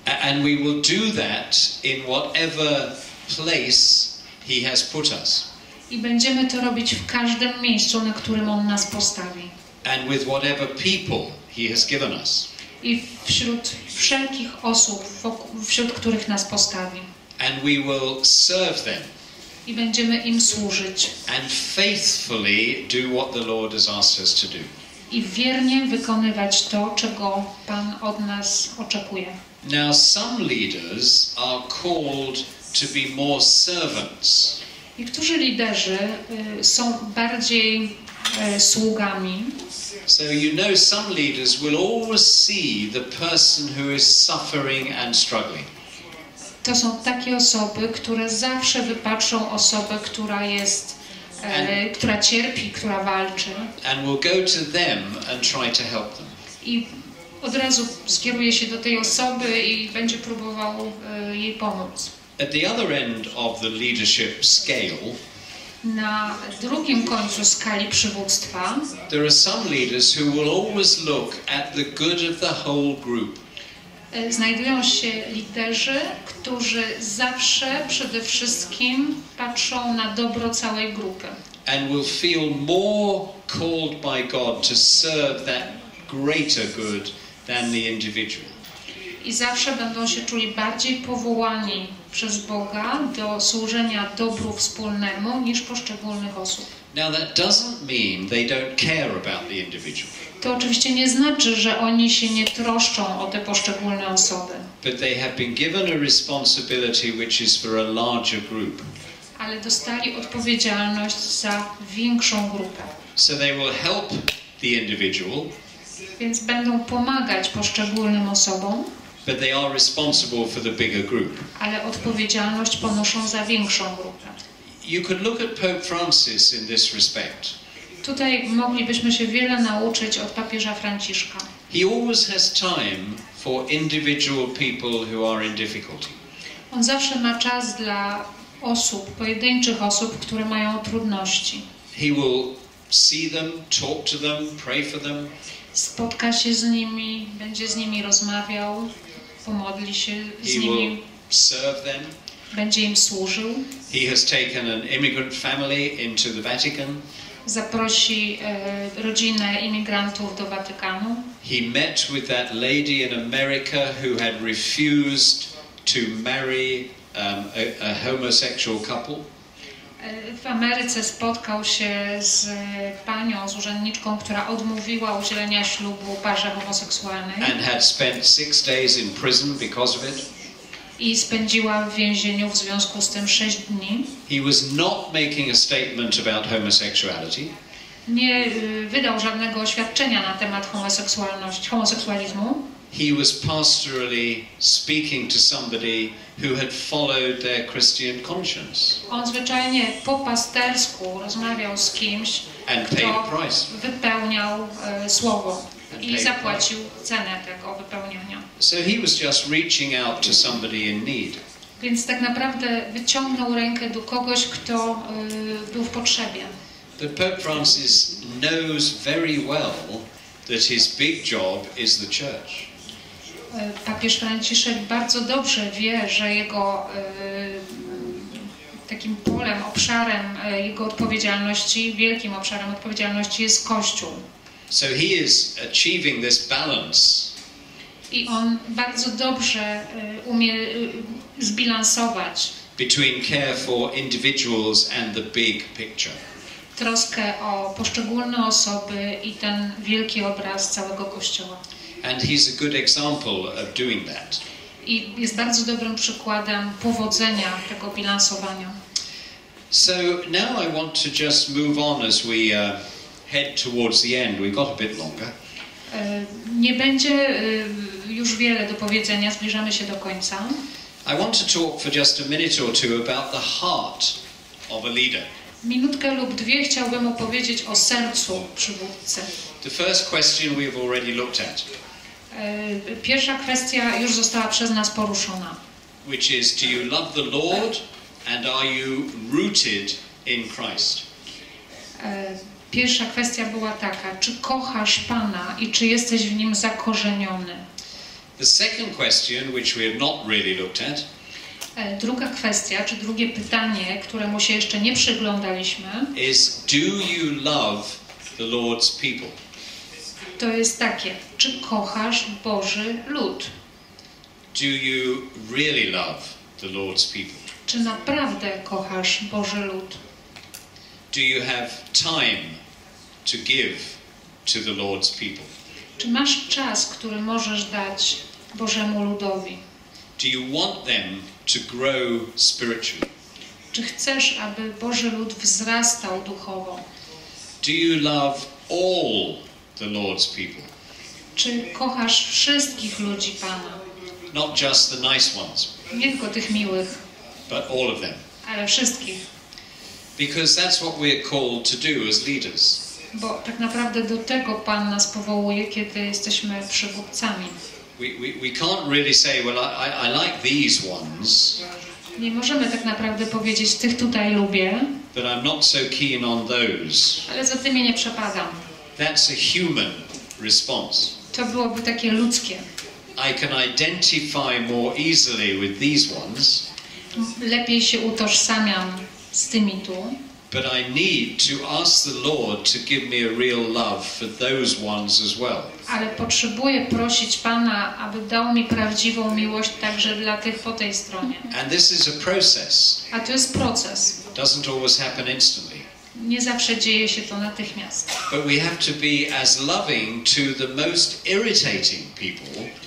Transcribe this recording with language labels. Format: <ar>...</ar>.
<en>And we will do that in whatever place he has put us.</en> <pl>I będziemy to robić w każdym miejscu, na którym on nas postawi.</pl> <en>And with whatever people he has given us.</en> <pl>I wśród wszelkich osób, wśród których nas postawi.</pl> <en>And we will serve them.</en> <pl>I będziemy im służyć.</pl> <en>And faithfully do what the Lord has asked us to do.</en> <pl>I wiernie wykonywać to, czego Pan od nas oczekuje.</pl> <en>Now some leaders are called to be more servants.</en> <pl>Niektórzy liderzy są bardziej sługami.</pl> <en>So you know some leaders will always see the person who is suffering and struggling.</en> <pl>To są takie osoby, które zawsze wypatrzą osobę, która jest która cierpi, która walczy.</pl> <en>And will go to them and try to help them.</en> <pl>I od razu skieruje się do tej osoby i będzie próbował jej pomóc.</pl> <en>At the other end of the leadership scale,</en> <pl>na drugim końcu skali przywództwa,</pl> <en>there are some leaders who will always look at the good of the whole group.</en> <pl>Znajdują się liderzy, którzy zawsze przede wszystkim patrzą na dobro całej grupy.</pl> <en>And will feel more called by God to serve that greater good than the individual.</en> <pl>I zawsze będą się czuli bardziej powołani przez Boga do służenia dobru wspólnemu niż poszczególnych osób.</pl> <en>Now that doesn't mean they don't care about the individual.</en> <pl>To oczywiście nie znaczy, że oni się nie troszczą o te poszczególne osoby.</pl> <en>But they have been given a responsibility which is for a larger group.</en> <pl>Ale dostali odpowiedzialność za większą grupę.</pl> <en>So they will help the individual.</en> <pl>Więc będą pomagać poszczególnym osobom.</pl> <en>But they are responsible for the bigger group.</en> <pl>Ale odpowiedzialność ponoszą za większą grupę.</pl> <en>You could look at Pope Francis in this respect.</en> <pl>Tutaj moglibyśmy się wiele nauczyć od papieża Franciszka.</pl> <en>He always has time for individual people who are in difficulty.</en> <pl>On zawsze ma czas dla osób, pojedynczych osób, które mają trudności.</pl> <en>He will see them, talk to them, pray for them.</en> <pl>Spotka się z nimi, będzie z nimi rozmawiał, pomodli się z</pl> <en>He</en> <pl>nimi.</pl> <en>Will serve them.</en> <pl>Będzie im służył.</pl> <en>He has taken an immigrant family into the Vatican.</en> <pl>Zaprosi rodzinę imigrantów do Watykanu.</pl> <en>He met with that lady in America who had refused to marry a homosexual couple.</en> <pl>W Ameryce spotkał się z panią, z urzędniczką, która odmówiła udzielenia ślubu parze homoseksualnej.</pl> <en>And had spent 6 days in prison because of it.</en> <pl>I spędziła w więzieniu w związku z tym 6 dni.</pl> <en>He was not making a statement about homosexuality.</en> <pl>Nie wydał żadnego oświadczenia na temat homoseksualizmu.</pl> <en>He was pastorally speaking to somebody who had followed their Christian conscience.</en> <pl>On zwyczajnie po pastersku rozmawiał z kimś,</pl> <en>and</en> <pl>kto</pl> <en>price.</en> <pl>Wypełniał słowo and i zapłacił cenę tego wypełniania.</pl> <en>So he was just reaching out to somebody in need.</en> <pl>Więc tak naprawdę wyciągnął rękę do kogoś, kto był w potrzebie.</pl> <en>But Pope Francis knows very well that his big job is the church.</en> <pl>Papież Franciszek bardzo dobrze wie, że jego takim polem, obszarem jego odpowiedzialności, wielkim obszarem odpowiedzialności jest Kościół.</pl> <en>So he is achieving this balance.</en> <pl>I on bardzo dobrze umie zbilansować</pl> <en>between care for individuals and the big picture.</en> <pl>Troskę o poszczególne osoby i ten wielki obraz całego Kościoła.</pl> <en>And he's a good example of doing that.</en> <pl>I jest bardzo dobrym przykładem powodzenia tego bilansowania.</pl> <en>So now I want to just move on as we head towards the end. We got a bit longer.</en> <pl>Nie będzie już wiele do powiedzenia, zbliżamy się do końca.</pl> <en>I want to talk for just a minute or two about the heart of a leader.</en> <pl>Minutkę lub dwie chciałbym opowiedzieć o sercu przywódcy.</pl> <en>The first question we have already looked at.</en> <pl>Pierwsza kwestia już została przez nas poruszona.</pl> <en>Which is, do you love the Lord and are you rooted in Christ?</en> <pl>Pierwsza kwestia była taka, czy kochasz Pana i czy jesteś w Nim zakorzeniony?</pl> <en>The second question, which we have not really looked at.</en> <pl>Druga kwestia, czy drugie pytanie, któremu się jeszcze nie przyglądaliśmy,</pl> <en>is, do you love the Lord's people?</en> <pl>To jest takie, czy kochasz Boży lud?</pl> <en>Do you really love the Lord's people?</en> <pl>Czy naprawdę kochasz Boży lud?</pl> <en>Do you have time to give to the Lord's people?</en> <pl>Czy masz czas, który możesz dać Bożemu ludowi?</pl> <en>Do you want them to grow spiritually?</en> <pl>Czy chcesz, aby Boży lud wzrastał duchowo?</pl> <en>Do you love all the Lord's people?</en> <pl>Czy kochasz wszystkich ludzi Pana?</pl> <en>Not just the nice ones.</en> <pl>Nie tylko tych miłych.</pl> <en>But all of them.</en> <pl>Ale wszystkich.</pl> <en>Because that's what we're called to do as leaders.</en> <pl>Bo tak naprawdę do tego Pan nas powołuje, kiedy jesteśmy przywódcami.</pl> <en>We can't really say, well, I like these ones.</en> <pl>Nie możemy tak naprawdę powiedzieć, tych tutaj lubię.</pl> <en>But I'm not so keen on those.</en> <pl>Ale za tymi nie przepadam.</pl> <en>That's a human response.</en> <pl>To byłoby takie ludzkie.</pl> <en>I can identify more easily with these ones.</en> <pl>Lepiej się utożsamiam z tymi tu.</pl> <en>But I need to ask the Lord to give me a real love for those ones as well.</en> <pl>Ale potrzebuję prosić Pana, aby dał mi prawdziwą miłość także dla tych po tej stronie.</pl> <en>And this is a process.</en> <pl>A to jest proces.</pl> <en>Doesn't always happen instantly.</en> <pl>Nie zawsze dzieje się to natychmiast.</pl> <en>But we have to be as loving to the most irritating people.</en>